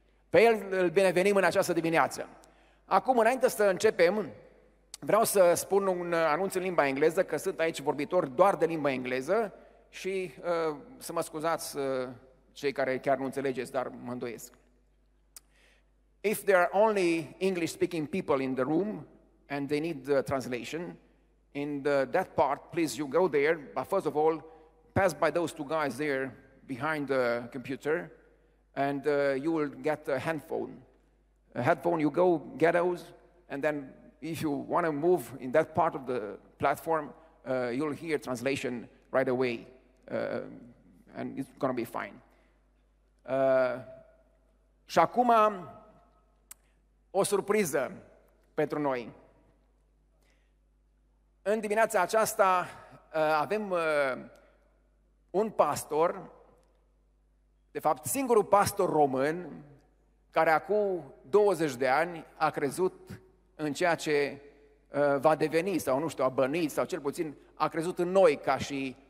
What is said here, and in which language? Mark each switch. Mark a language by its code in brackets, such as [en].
[ro] Pe El îl binevenim în această dimineață. Acum, înainte să începem, vreau să spun un anunț în limba engleză, că sunt aici vorbitor doar de limba engleză, și să mă scuzați cei care chiar nu înțelegeți, dar mă îndoiesc. [en] If there are only English-speaking people in the room and they need the translation, in the, that part, please, you go there, but first of all, pass by those two guys there behind the computer and you will get a headphone. A headphone, you go get those, and then if you want to move in that part of the platform, you'll hear translation right away. And it's gonna be fine. [ro] Și acum o surpriză pentru noi. În dimineața aceasta avem un pastor, de fapt singurul pastor român care acum 20 de ani a crezut în ceea ce va deveni sau nu știu, a bănuit sau cel puțin a crezut în noi ca și